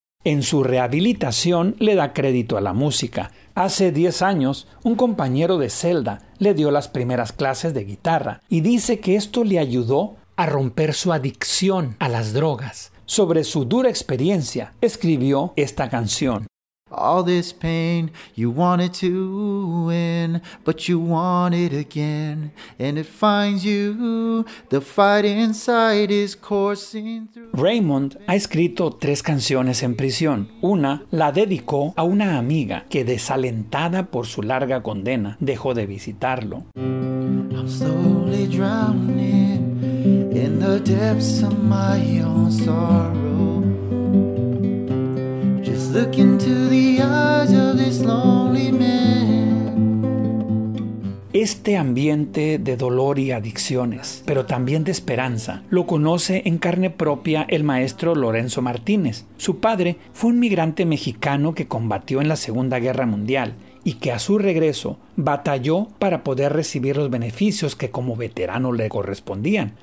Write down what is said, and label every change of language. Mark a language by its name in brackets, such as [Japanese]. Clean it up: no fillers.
[Spanish] En su rehabilitación le da crédito a la música. Hace 10 años, un compañero de celda le dio las primeras clases de guitarra y dice que esto le ayudó a romper su adicción a las drogas. Sobre su dura experiencia, escribió esta canción. [English] All this pain you wanted to win, but you want it again, and it finds you, the fight inside is coursing through. [Spanish] Raymond ha escrito 3 canciones en prisión. Una la dedicó a una amiga que, desalentada por su larga condena, dejó de visitarlo. [English] I'm slowly drowning in the depths of my own sorrow. Look into the eyes of this lonely man. [Spanish] Este ambiente de dolor y adicciones, pero también de esperanza, lo conoce en carne propia el maestro Lorenzo Martínez. Su padre fue un migrante mexicano que combatió en la Segunda Guerra Mundial y que a su regreso batalló para poder recibir los beneficios que como veterano le correspondían.